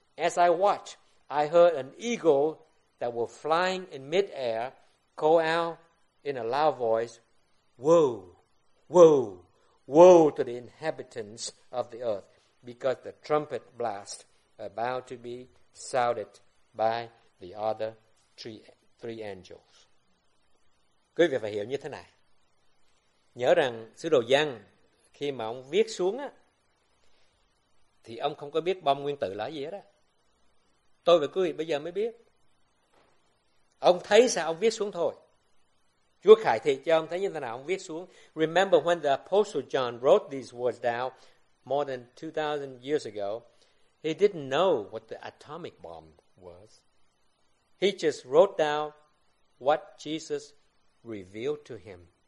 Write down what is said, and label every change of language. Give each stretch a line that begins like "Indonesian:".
English: As I watched, I heard an eagle that was flying in midair call out in a loud voice, woe, woe, woe to the inhabitants of the earth, because the trumpet blast about to be sounded by the other three angels.
Vietnamese: Quý vị phải hiểu như thế này. Nhớ rằng sứ đồ Giăng khi mà ông viết xuống á, thì ông không có biết bom nguyên tử là gì hết á. Tôi và quý vị bây giờ mới biết. Ông thấy sao ông viết xuống thôi. Chúa khải thị cho ông thấy như thế nào ông viết xuống.
English: Remember when the Apostle John wrote these words down more than 2,000 years ago, he didn't know what the atomic bomb was. He just wrote down what Jesus revealed to him.